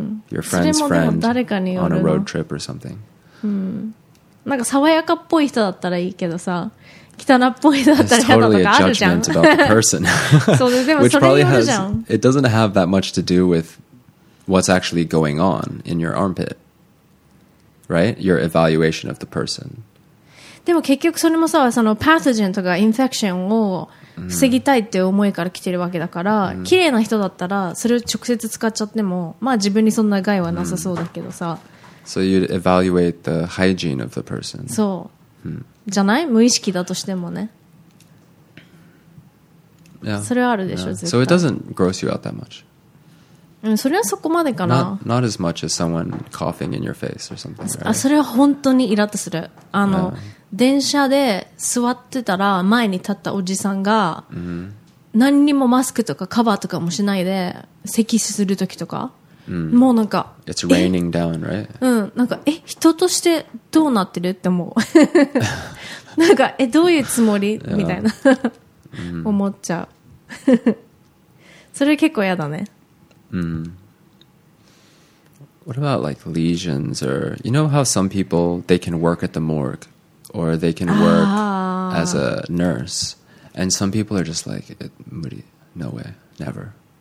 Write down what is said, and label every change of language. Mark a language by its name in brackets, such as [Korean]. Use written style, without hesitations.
[English] Your friend's friend on a road trip or something. [Japanese] なんか爽やかっぽい人だったらいいけどさ、汚っぽい人だったら嫌だとかあるじゃん。 [English] It's totally a judgment about the person. [Japanese] そうで、でもそれによるじゃん。 [English] probably has, it doesn't have that much to do with what's actually going on in your armpit. Right? Your evaluation of the person. [Japanese] でも結局それもさ、そのパスジェンとかインフェクションを防ぎたいっていう思いから来てるわけだから、綺麗な人だったらそれを直接使っちゃっても、まあ自分にそんな害はなさそうだけどさ。 [English] So you'd evaluate the hygiene of the person. [Japanese] そう。じゃない？無意識だとしてもね。 [English] Yeah, [Japanese] それはあるでしょ、 [English] yeah. [Japanese] 絶対。 [English] So it doesn't gross you out that much. [Japanese] それはそこまでかな。 [English] Not as much as someone coughing in your face or something, right? [Japanese] あ、それは本当にイラッとする。あの、 [English] yeah. [Japanese] 電車で座ってたら前に立ったおじさんが、何にもマスクとかカバーとかもしないで咳するときとか、もうなんか、 [English] It's raining down, right? [Japanese] なんか、え、人としてどうなってるって思う。なんか、え、どういうつもり、 [English] yeah. [Japanese] みたいな思っちゃう。それ結構やだね。 [English] What about like lesions or, you know how some people, they can work at the morgue or they can work as a nurse and some people are just like, no way, never.